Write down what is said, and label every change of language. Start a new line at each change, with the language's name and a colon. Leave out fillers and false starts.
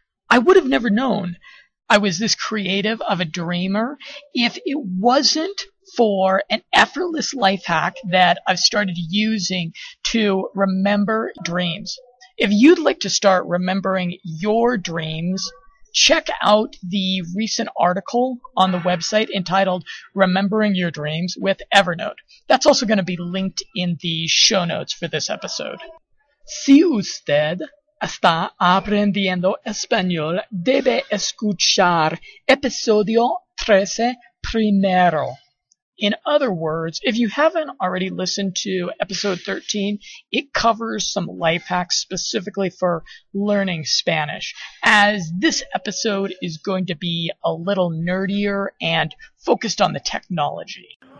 English: I would have never known I was this creative of a dreamer if it wasn't for an effortless life hack that I've started using to remember dreams. If you'd like to start remembering your dreams, check out the recent article on the website entitled Remembering Your Dreams with Evernote. That's also going to be linked in the show notes for this episode.
Spanish: Si usted está aprendiendo español, debe escuchar episodio 13 primero.
English: In other words, if you haven't already listened to episode 13, it covers some life hacks specifically for learning Spanish, as this episode is going to be a little nerdier and focused on the technology.